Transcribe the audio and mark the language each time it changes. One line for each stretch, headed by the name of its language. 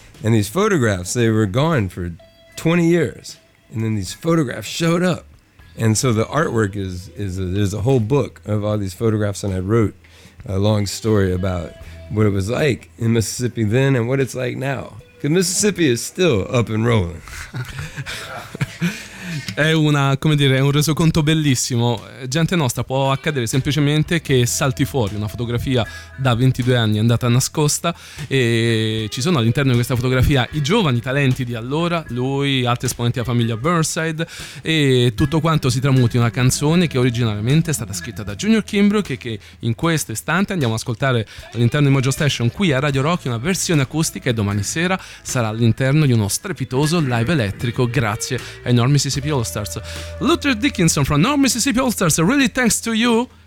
English: And these photographs, they were gone for 20 years. And then these photographs showed up. And so the artwork there's a whole book of all these photographs, and I wrote a long story about what it was like in Mississippi then and what it's like now. Because Mississippi is still up and rolling.
Italian: È una, come dire, è un resoconto bellissimo. Gente nostra, può accadere semplicemente che salti fuori una fotografia da 22 anni andata nascosta, e ci sono all'interno di questa fotografia i giovani talenti di allora, lui, altri esponenti della famiglia Burnside, e tutto quanto si tramuti in una canzone che originariamente è stata scritta da Junior Kimbrough, e che in questo istante andiamo ad ascoltare all'interno di Mojo Station qui a Radio Rock, una versione acustica, e domani sera sarà all'interno di uno strepitoso live elettrico grazie ai enormi Mississippi All-Stars.
English: Luther Dickinson from North Mississippi All-Stars, really thanks to you.